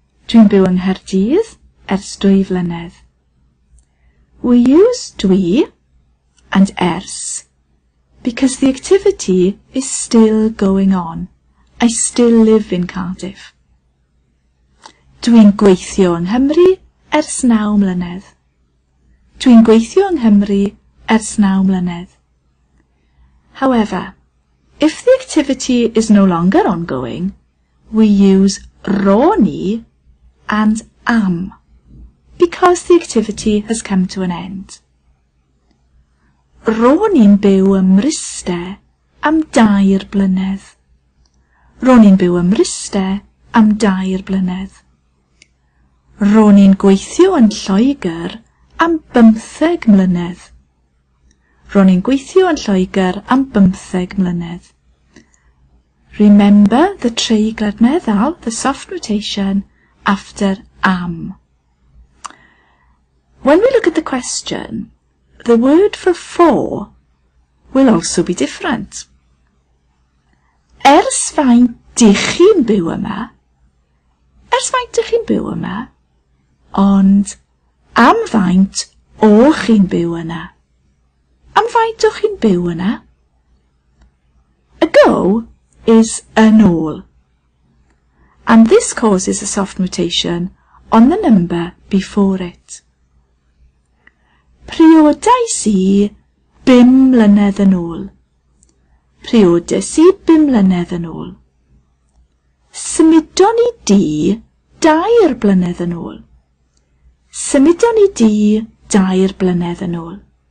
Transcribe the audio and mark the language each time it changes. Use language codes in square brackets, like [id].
[cy] Dwi'n byw yng Nghaerdydd ers 2 flynedd. [en] We use dwi and ers because the activity is still going on. I still live in Cardiff. [cy] Dwi'n gweithio yng Nghymru ers 9 mlynedd. Dwi'n gweithio yng Nghymru ers 9 mlynedd. [en] However, if the activity is no longer ongoing, we use ro'n i and am because the activity has come to an end. [cy] Ro'n i'n byw ym Mryste am 2 blynedd. Ro'n i'n byw ym Mryste am 2 blynedd. Ro'n i'n gweithio yn Lloegr am 15 mlynedd. Ro'n i'n gweithio yn Lloegr am 15 mlynedd. [en] Remember the treiglad meddal, the soft notation, after am. When we look at the question, the word for for will also be different. [cy] Ers faint dych chi'n byw yma? Ers faint dych chi'n byw yma? Ond am faint o'ch chi'n byw yna? Am faint o'ch chi'n byw yna? [en] Ago is yn ôl. And this causes a soft mutation on the number before it. [cy] Priodais i 5 mlynedd yn ôl. Priodais i 5 mlynedd yn ôl. Symudon i di 2 blynedd yn ôl. Symudon i di 2 blynedd yn ôl.